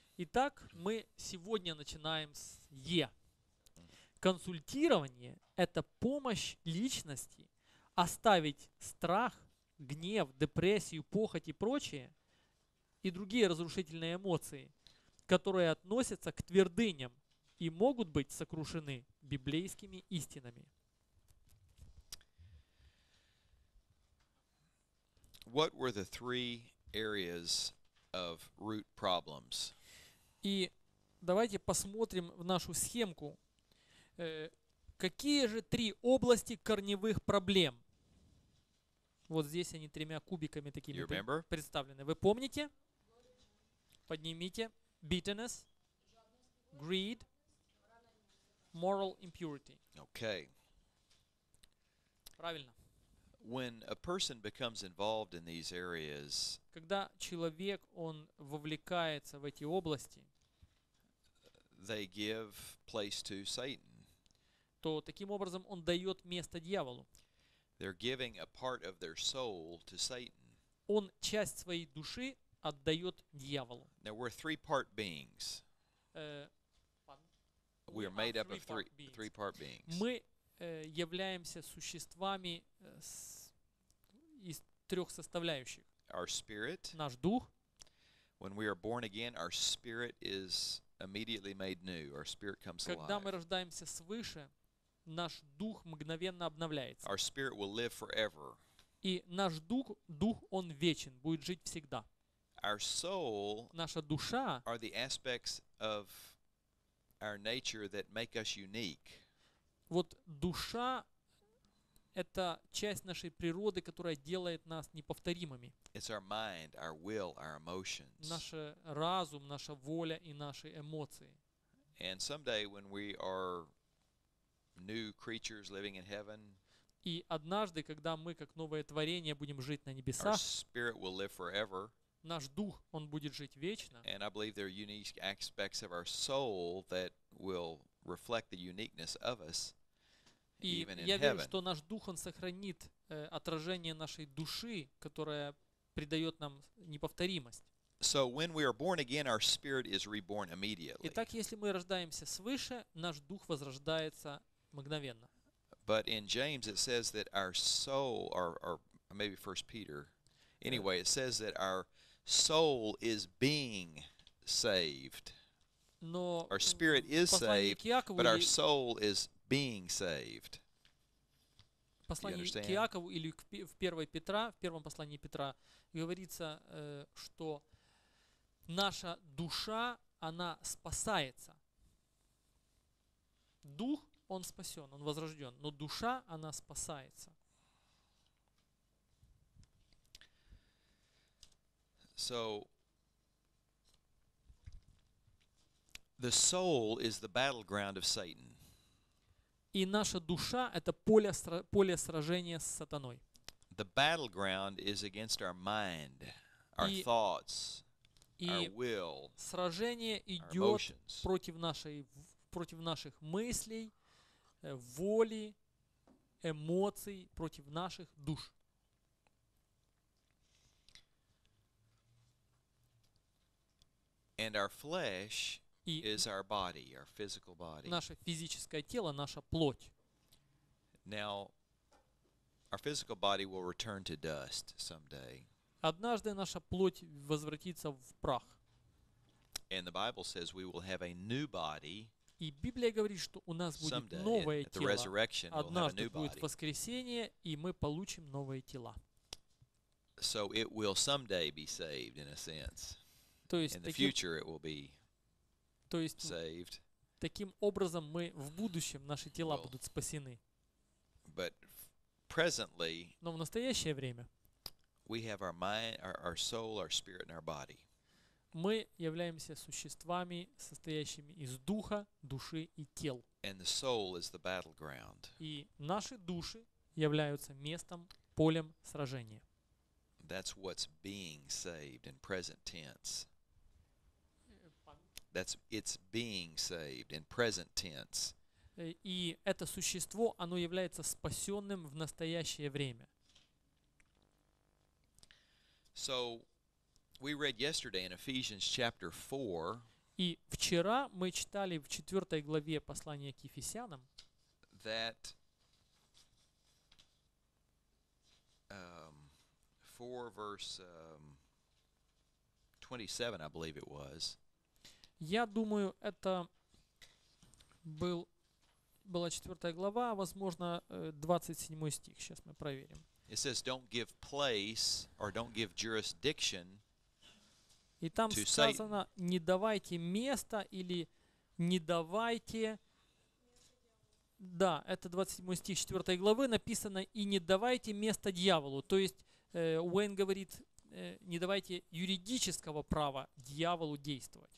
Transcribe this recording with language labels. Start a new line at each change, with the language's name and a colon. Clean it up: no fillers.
Russian: Итак, мы сегодня начинаем с Е. Консультирование – это помощь личности оставить страх, гнев, депрессию, похоть и прочее, и другие разрушительные эмоции, которые относятся к твердыням и могут быть сокрушены библейскими истинами.
English: What were the three areas of root problems?
Russian: И давайте посмотрим в нашу схемку. Какие же три области корневых проблем? Вот здесь они тремя кубиками такими представлены. Вы помните? Поднимите.
English: Bitterness, greed, moral impurity. Okay.
Russian: Правильно.
English: When a person becomes involved in these areas,
Russian: когда человек, он вовлекается в эти области,
English: they give place to Satan.
Russian: То таким образом он дает место дьяволу.
English: They're giving a part of their soul to Satan.
Russian: Он часть своей души отдает дьяволу.
English: Now we're three part beings. We are made up of three part beings.
Russian: Мы являемся существами из трех составляющих.
English: Our spirit.
Russian: Наш дух.
English: When we are born again, our spirit is immediately made new. Our spirit comes alive.
Russian: Когда мы рождаемся свыше, наш дух мгновенно обновляется.
English: Our spirit will live forever.
Russian: И наш дух, он вечен, будет жить всегда.
English: Our soul,
Russian: наша душа,
English: are the aspects of our nature that make us unique.
Russian: Вот душа — это часть нашей природы, которая делает нас неповторимыми.
English: It's our mind, our will, our emotions.
Russian: Наш разум, наша воля и наши эмоции.
English: And someday when we are new creatures living in heaven.
Russian: И однажды, когда мы как новое творение будем жить на небесах,
English: our spirit will live forever.
Russian: Наш дух, он будет жить вечно.
English: And I believe there are unique aspects of our soul that will reflect the uniqueness of us even in heaven.
Russian: И я верю, что наш дух, он сохранит отражение нашей души, которое придает нам неповторимость.
English: So when we are born again, our spirit is reborn immediately.
Russian: Итак, если мы рождаемся свыше, наш дух возрождается мгновенно.
English: But in James it says that our soul, or maybe 1 Peter, anyway, it says that our soul is being saved.
Russian: Но
English: our spirit is saved,
Russian: Иакову,
English: but our soul is being saved.
Russian: Послание к Иакову или в 1 Петра, в первом послании Петра говорится, что наша душа, она спасается. Дух, он спасен, он возрожден, но душа, она спасается.
English: So the soul is the battleground of Satan.
Russian: И наша душа — это поле сражения с сатаной.
English: The battleground is against our mind, our thoughts, our will, our emotions.
Russian: И сражение идет против наших мыслей, воли, эмоций против наших душ.
English: And our flesh is our body, our physical body.
Russian: Наше физическое тело, наша плоть.
English: Now, our physical body will return to dust someday.
Russian: Однажды наша плоть возвратится в прах.
English: And the Bible says we will have a new body.
Russian: И Библия говорит, что у нас будет новое тело. Однажды будет воскресение, и мы получим новые тела.
English: So it will someday be saved in a sense.
Russian: То есть
English: in the future it will be saved.
Russian: Таким образом мы в будущем наши тела будут спасены.
English: But presently,
Russian: но в настоящее время
English: we have our mind, our soul, our spirit, and our body.
Russian: Мы являемся существами, состоящими из духа, души и тел.
English: And the soul is the battleground.
Russian: И наши души являются местом, полем сражения.
English: That's what's being saved in present tense. That's it's being saved in present tense.
Russian: И это существо, оно является спасенным в настоящее время.
English: So we read yesterday in Ephesians chapter 4.
Russian: И вчера мы читали в 4 главе послания к Ефесянам.
English: That 4 verse 27, I believe it was.
Russian: Я думаю, это была 4 глава, возможно, 27 стих. Сейчас мы проверим.
English: It says don't give place or don't give jurisdiction.
Russian: И там сказано, не давайте места или не давайте... Да, это 27 стих 4 главы написано, и не давайте места дьяволу. То есть Уэйн говорит, не давайте юридического права дьяволу действовать.